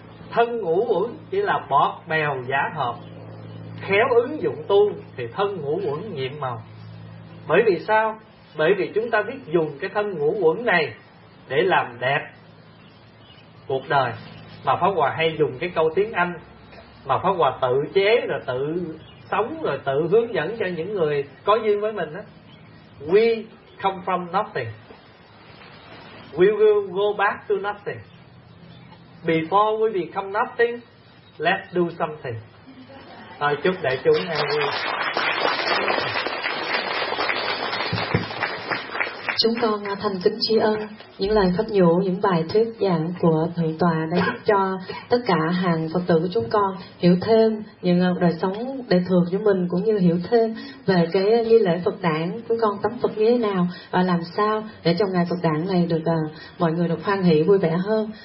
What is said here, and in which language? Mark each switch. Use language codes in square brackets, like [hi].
[vi] Thân ngũ uẩn chỉ là bọt bèo giả hợp, khéo ứng dụng tu thì thân ngũ uẩn nhiệm màu. Bởi vì sao? Bởi vì chúng ta biết dùng cái thân ngũ uẩn này để làm đẹp cuộc đời. Mà Pháp Hòa hay dùng cái câu tiếng Anh mà Pháp Hòa tự chế rồi tự sống rồi tự hướng dẫn cho những người có duyên với mình đó. [en] We come from nothing, we will go back to nothing. Before we become nothing, let's do something. [vi] Thôi chúc đại chúng an vui. Chúng con thành kính tri ân những lời pháp nhũ, những bài thuyết giảng của Thượng Tọa đã giúp cho tất cả hàng Phật tử chúng con hiểu thêm những đời sống đời thường của mình, cũng như hiểu thêm về cái nghi lễ Phật đản, chúng con tắm Phật như thế nào và làm sao để trong ngày Phật đản này được mọi người được hoan hỷ vui vẻ hơn.